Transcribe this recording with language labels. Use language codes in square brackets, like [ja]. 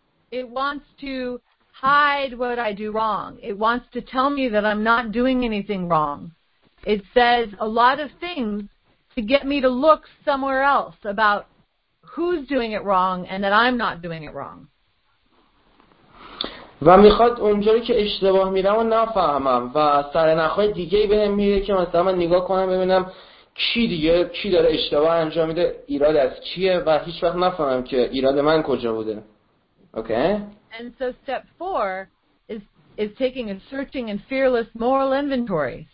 [en] It wants to hide what I do wrong. It wants to tell me that I'm not doing anything wrong. It says a lot of things to get me to look somewhere else about who's doing it wrong and that I'm not doing it wrong. [fa] و میخواد اونجوری که اشتباه میرم و نفهمم و سرنخهای دیگه ای بهم میده که مثلا من نگاه کنم ببینم کی داره اشتباه انجام میده، ایراد از چیه و هیچ وقت نفهمم که ایراد من کجا بوده. [en] Okay? And so step 4 is taking a searching and fearless moral inventory.